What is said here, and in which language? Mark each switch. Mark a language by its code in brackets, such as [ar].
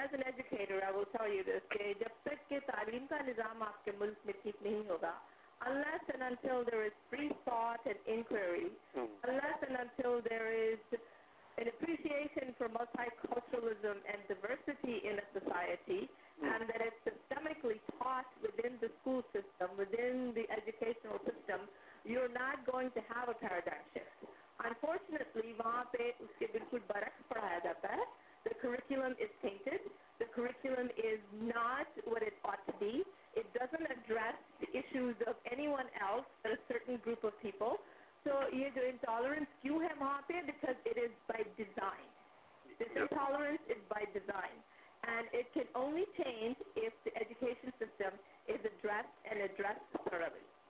[en] As an educator, I will tell you this, [ur] کہ جب تک کہ تعلیم کا نظام آپ کے ملک میں ٹھیک نہیں ہوگا, [en] unless and until there is free thought and inquiry, unless and until there is an appreciation for multiculturalism and diversity in a society, and that it's systemically taught within the school system, within the educational system, you're not going to have a paradigm shift. Unfortunately, [ur] وہاں پہ اس کے بالکل برعکس پڑھایا جاتا ہے. [en] The curriculum is tainted. The curriculum is not what it ought to be. It doesn't address the issues of anyone else but a certain group of people. So [ur] یہ جو intolerance کیوں ہے وہاں پہ, [en] because it is by design. This intolerance is by design. And it can only change if the education system is addressed and addressed thoroughly.